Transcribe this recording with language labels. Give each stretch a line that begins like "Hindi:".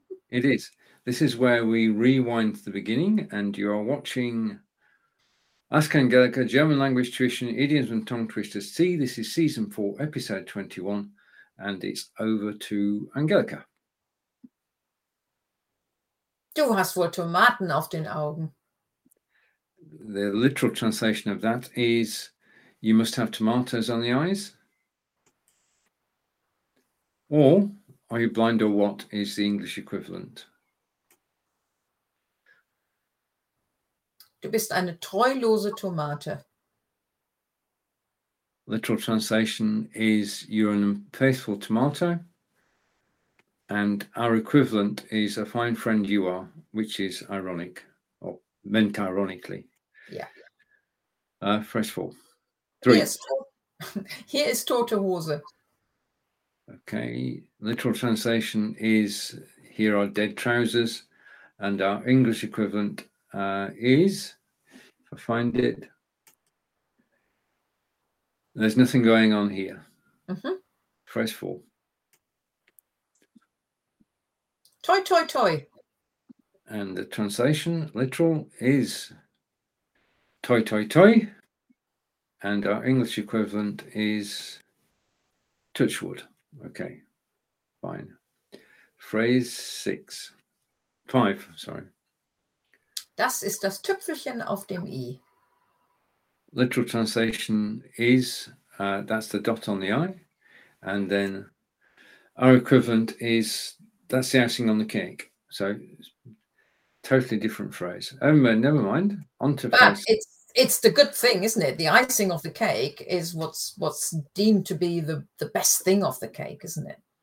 English: It is. This is where we rewind to the beginning, and you are watching Ask Angelica, German Language Tuition, Idioms and Tongue Twisters. See, this is season 4, episode 21, and it's over to Angelica.
German: Du hast wohl Tomaten auf den Augen.
English: The literal translation of that is, you must have tomatoes on the eyes. Or Are You Blind or What is the English equivalent.
German: Du bist eine treulose Tomate.
English: Literal translation is You're an unfaithful tomato. And our equivalent is A Fine Friend You Are, which is ironic, or meant ironically. Yeah. Fresh four. Three.
German: Here is tote Hose.
English: Okay. Literal translation is Here Are Dead Trousers. And our English equivalent is, if I find it, There's Nothing Going On Here. Mm-hmm. Fresh four.
German: Toy, toy, toy.
English: And the translation, literal, is toy, toy, toy. And our English equivalent is touchwood. Okay, fine. Phrase six. Five, sorry.
German: Das ist das Tüpfelchen auf dem I.
English: Literal translation is that's the dot on the I. And then our equivalent is that's the icing on the cake. So totally different phrase. Never mind. On to phrase. It's the good thing, isn't it? The icing of the cake is what's deemed to be the best thing of the cake, isn't it?